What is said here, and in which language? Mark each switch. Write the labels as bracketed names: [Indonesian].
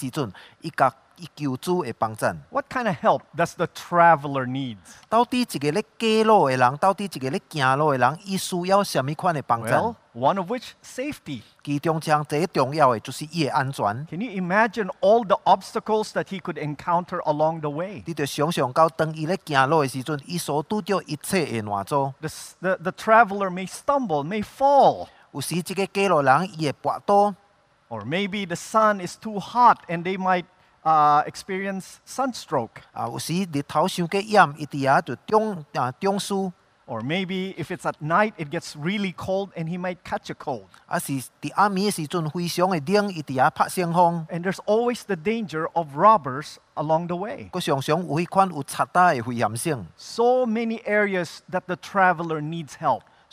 [Min Nan Chinese] 就是那亲像诗人跟上帝说讲，主啊，我伫这方面，伫这方面，我需要你的帮助。就是当伊咧行这个路程的时阵，伊甲伊求主的帮助。 [English] What kind of help does the traveler need? [Min Nan Chinese] 到底一个咧过路的人，到底一个咧行路的人，伊需要什么款的帮助？ [English] Well, one of which, safety. [Min Nan Chinese] 其中最重要的就是伊的安全。 [English] Can you imagine all the obstacles that he could encounter along the way? [Min Nan Chinese] 你就想想到当伊咧行路的时阵，伊所拄到一切的难阻。 [English] The traveler may stumble, may fall. [Min Nan Chinese] 有时这个过路人伊会跌倒。Or [English] maybe the sun is too hot and they might experience sunstroke. [Min Nan Chinese] 有时日头伤过炎，伊底下就中暑。 [English] Or maybe if it's at night, it gets really cold and he might catch a cold. And there's always the danger of robbers along the way. So many areas that the traveler needs help.